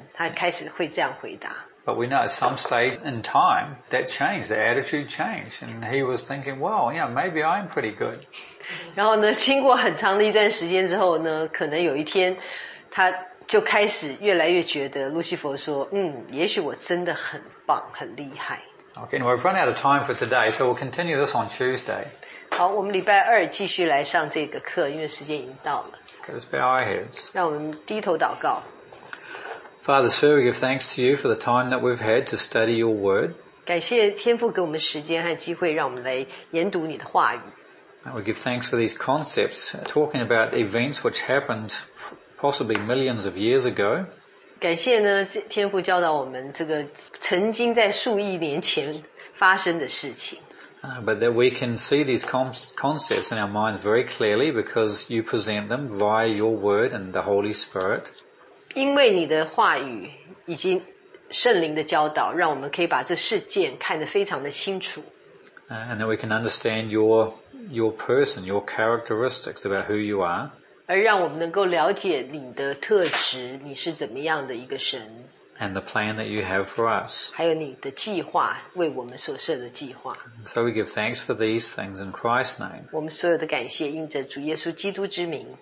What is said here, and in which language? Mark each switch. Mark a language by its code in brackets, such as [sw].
[zh] 他开始会这样回答。 [en] But we know at some stage in time, that changed, the attitude changed. And he was thinking, well, you know, maybe I'm pretty good. [zh] 然后呢，经过很长的一段时间之后呢，可能有一天，他就开始越来越觉得，路西佛说，也许我真的很棒，很厉害。 [en] Okay, and we've run out of time for today, so we'll continue this on Tuesday. [zh] 好，我们礼拜二继续来上这个课，因为时间已经到了。 [en] Okay, let's bow our heads. [zh] 让我们低头祷告。 [en] Father, sir, we give thanks to you for the time that we've had to study your word. [zh] 感谢天父给我们时间和机会，让我们来研读你的话语。 [en] We give thanks for these concepts, talking about events which happened possibly millions of years ago. [zh] 感谢呢，天父教导我们这个曾经在数亿年前发生的事情。 [en] But that we can see these concepts in our minds very clearly because you present them via your word and the Holy Spirit. [zh] 因为你的话语以及圣灵的教导，让我们可以把这事件看得非常的清楚。 [en] And that we can understand your your person, your characteristics about who you are. [zh] 而让我们能够了解你的特质，你是怎么样的一个神。 [en] And the plan that you have for us. [zh] 还有你的计划，为我们所设的计划。 [en] So we give thanks for these things in Christ's name. [zh] 我们所有的感谢，应着主耶稣基督之名。